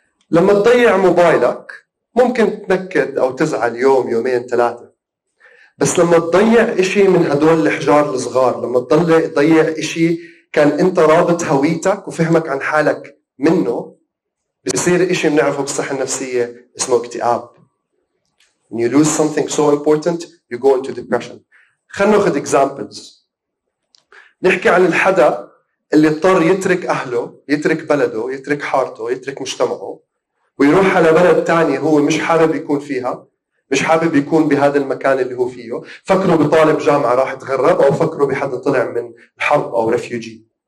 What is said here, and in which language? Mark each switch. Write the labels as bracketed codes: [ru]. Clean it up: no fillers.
[ar] لما تضيع موبايلك ممكن تنكد او تزعل يوم يومين ثلاثه, بس لما تضيع اشي من هدول الحجار الصغار, لما تضيع اشي كان انت رابط هويتك وفهمك عن حالك منه, بيصير اشي بنعرفه بالصحة النفسية اسمه اكتئاب. [en] When you lose something so important, you go into depression. [ar] خلنا ناخذ examples. نحكي عن الحدا اللي اضطر يترك اهله, يترك بلده, يترك حارته, يترك مجتمعه, ويروح على بلد تاني هو مش حابب يكون فيها, مش حابب يكون بهذا المكان اللي هو فيه, فكروا بطالب جامعة راح تغرب, أو فكروا بحد طلع من الحرب أو رفيوجي.